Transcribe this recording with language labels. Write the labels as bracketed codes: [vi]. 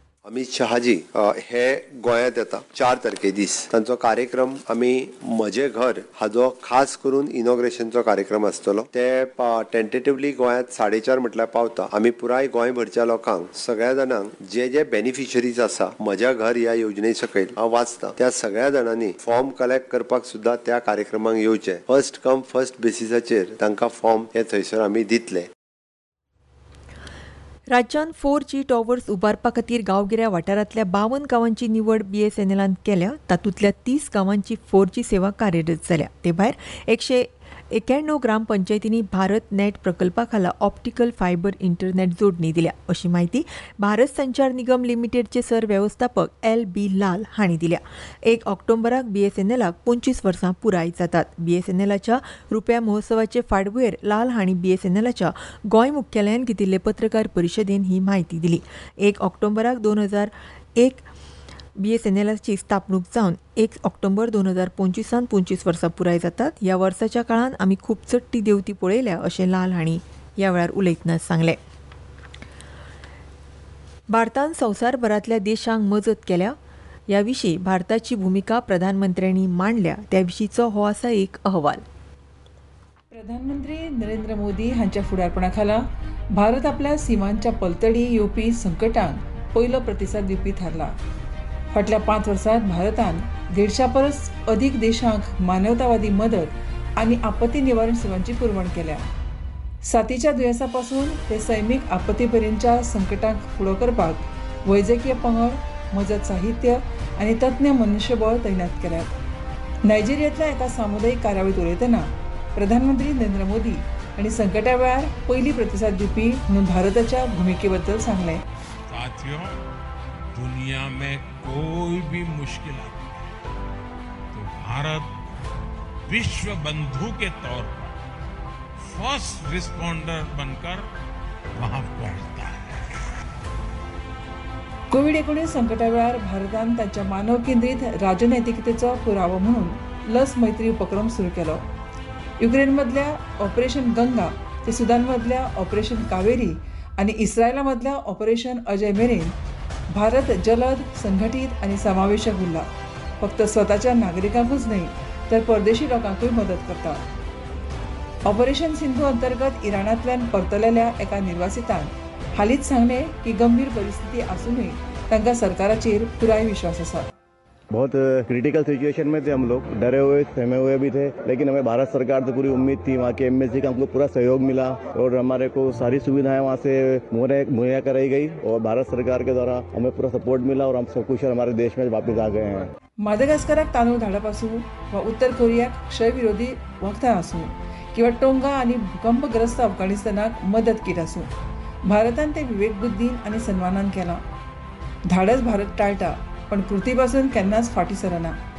[gom] अमित शहाजी हे गोंयांत येता 4 तारखे दीस. तांचो कार्यक्रम आमी म्हजे घर हाजो खास करून इनॉग्रेशनचो कार्यक्रम आसतलो. ते टेंटेटिव्हली गोंयांत 4:30 म्हटल्यार पावता. आमी पुराय गोंयभरच्या लोकांक सगळ्या जाणांक जे जे बेनिफिशरीज आसा म्हज्या घर ह्या योजने सकयल हांव वाचता त्या सगळ्या जाणांनी फॉर्म कलेक्ट करपाक सुद्दां त्या कार्यक्रमांक येवचे. फर्स्ट कम फर्स्ट बेसिसाचेर तांकां फॉर्म हे थंयसर आमी दितले. राज्यांत 4G टॉवर्स उबारपा खातीर गांवगिऱ्या वाठारांतल्या 52 गांवांची निवड BSNL केल्या. तातूंतल्या 30 गांवांची 4G सेवा कार्यरत जाल्या. ते भायर 191 ग्राम पंचायतींनी भारत नेट प्रकल्पा खाला ऑप्टिकल फायबर इंटरनेट जोडणी दिल्या अशी माहिती भारत संचार निगम लिमिटेडचे सरवेवस्थापक LB Lal हांणी दिल्या. 1 ऑक्टोबराक BSNLAC 25 वर्सां पुराय जातात. BSNLAच्या रुप्या महोत्सवाचे फाटभुंयेर लाल हांणी BSNLAच्या गोंय मुख्यालयान घेतिल्ले पत्रकार परिशदेन ही माहिती दिली. 1 ऑक्टोबराक 2001 BSNLAची स्थापणूक जावन 1 ऑक्टोबर 2025 25 वर्सां पुराय जातात. ह्या वर्साच्या काळांत आमी खूप चडटी देंवती पळयल्या अशें लाल हांणी ह्या वेळार उलयतना सांगले. भारतान संवसारभरांतल्या देशांक मजत केल्या ह्या विशीं भारताची भुमिका प्रधानमंत्र्यांनी मांडल्या त्या विशींचो हो आसा एक अहवाल. प्रधानमंत्री नरेंद्र मोदी हांच्या फुडारपणा खाला भारत आपल्या सिमांच्या पलतडी येवपी संकटांक पयलो प्रतिसाद दिवपी थारला. फाटल्या 5 वर्सांत भारतान 150 परस अधिक देशांक मानवतावादी मदत आनी आपत्ती निवारण सेवांची पुरवण केल्या. साथीच्या दुयेंसा पासून ते सैमीक आपत्ती पर्यंतच्या संकटांक फुडो करपाक वैजकीय पंगड, मजत साहित्य आनी तज्ञ मनुष्यबळ तैनात केल्यात. नायजेरियांतल्या एका सामुदायीक कार्यावळीत उलयतना प्रधानमंत्री नरेंद्र मोदी आनी संकटा वेळार पयली प्रतिसाद दिवपी म्हणून भारताच्या भुमिके बद्दल सांगले. [hi] दुनिया में कोई भी मुश्किल आती है तो भारत विश्व बंधु के तौर पर फर्स्ट रिस्पोंडर बनकर वहां पहुंचता है. [mr] कोविड-19 संकटावेळार भारतान त्याच्या मानव केंद्रित राजनैतिकतेचा पुरावा म्हणून लस मैत्री उपक्रम सुरू केला. युक्रेन मधल्या ऑपरेशन गंगा ते सुदान मधल्या ऑपरेशन कावेरी आणि इस्रायला मधल्या ऑपरेशन अजय मेरेन भारत जलद संघटीत आणि समावेशक उरला. फक्त स्वतःच्या नागरिकांकच नाही तर परदेशी लोकांकही मदत करता. ऑपरेशन सिंधू अंतर्गत इराणातल्यान परतलेल्या एका निर्वासितान हालीच सांगले की गंभीर परिस्थिती असूनही त्यांना सरकारचेर पुराय विश्वास असा. [hi] बहुत क्रिटिकल सिचुएशन में थे हम लोग, डरे हुए सहमे हुए भी थे, लेकिन हमें भारत सरकार से पूरी उम्मीद थी, वहाँ के एमएससी का हमको पूरा सहयोग मिला और हमारे को सारी सुविधाएं वहाँ से मुहैया कराई गई और भारत सरकार के द्वारा हमें पूरा सपोर्ट मिला और हम सब कुछ हमारे देश में वापस आ गए हैं। [mr] मादागास्करात तांदूळ धाडापासून व उत्तर कोरियात क्षय विरोधी वक्तापासून किंवा टोंगा आणि भूकंपग्रस्त अफगाणिस्तानात मदत केली असून भारतान ते विवेक बुद्धीन आणि सन्मानान केला। [gom] धाडस भारत टाळटा पण कृतीपासून केन्नाच फाटी सरना।